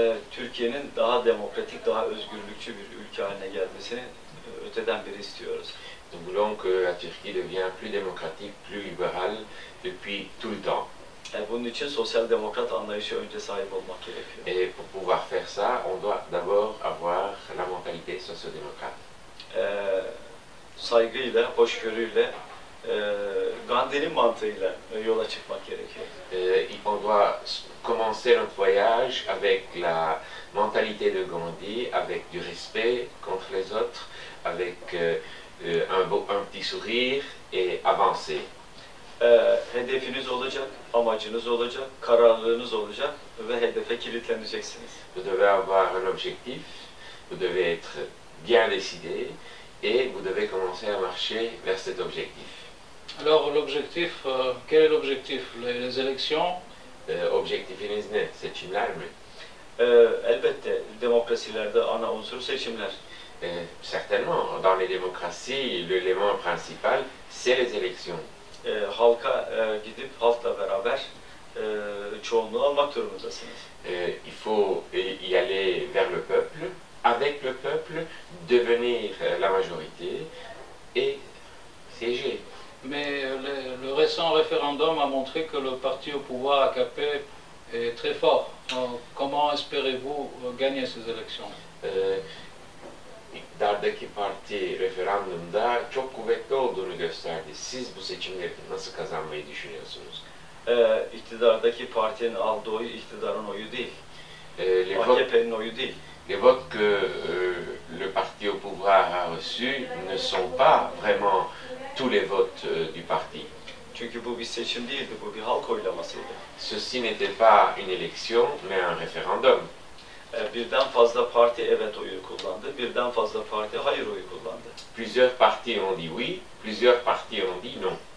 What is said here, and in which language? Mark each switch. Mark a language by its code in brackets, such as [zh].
[tr] Türkiye'nin daha demokratik, daha özgürlükçü bir ülke haline gelmesini öteden beri istiyoruz. [fr] Nous voulons que la Turquie devienne plus démocratique, plus libérale depuis tout le temps. [tr] Bunun için sosyal demokrat anlayışa önce sahip olmak gerekiyor. [fr] Et pour pouvoir faire ça, on doit d'abord avoir la mentalité sosyal-démocrate. [tr] Saygıyla, hoşgörüyle, Gandhi'nin mantığıyla yola çıkmak gerekiyor. [fr] On doit commencer notre voyage avec la mentalité de Gandhi, avec du respect contre les autres, avec un petit sourire et avancer. [tr] Hedefiniz olacak, amacınız olacak, kararlılığınız olacak ve hedefe kilitleneceksiniz. [fr] Vous devez avoir un objectif, vous devez être bien décidé et vous devez commencer à marcher vers cet objectif. Alors l'objectif, quel est l'objectif? Les élections? [tr] Objectifiniz ne? Seçimler mi? Elbette, demokrasilerde ana unsur seçimler. [fr] Certainement, dans les démocraties, l'élément principal, c'est les élections. [tr] Halka gidip halkla beraber çoğunluğu almak durumundasınız. [fr] Il faut y aller vers le peuple, avec le peuple, devenir la majorité et siéger. Mais le récent référendum a montré que le parti au pouvoir AKP est très fort. Comment espérez-vous gagner ces élections? [tr] İktidardaki parti referandumda çok kuvvetli olduğunu gösterdi. Siz bu seçimleri nasıl kazanmayı düşünüyorsunuz? İktidardaki partinin aldığı oyu iktidarın oyu değil. AKP'nin oyu değil. [fr] Les votes que le parti au pouvoir a reçu ne sont pas vraiment tous les votes du parti. [tr] Çünkü bu bir seçim değildi, bu bir halk oylamasıydı. [fr] Ceci n'était pas une élection, mais un référendum. [tr] Birden fazla parti evet oyu kullandı, birden fazla parti hayır oyu kullandı. [fr] Plusieurs partis ont dit oui, plusieurs partis ont dit non.